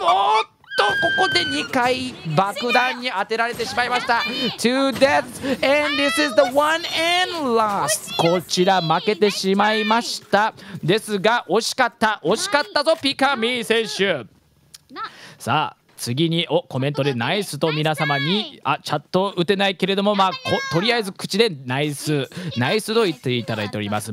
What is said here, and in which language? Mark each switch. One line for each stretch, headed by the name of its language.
Japanese: おっとここで2回爆弾に当てられてしまいました。
English: Two deaths and this is the one and last。
Japanese: こちら負けてしまいました。ですが惜しかった、惜しかったぞピカミー選手。さあ次に、おコメントでナイスと皆様に、あチャット打てないけれども、まあとりあえず口でナイスナイスと言っていただいております。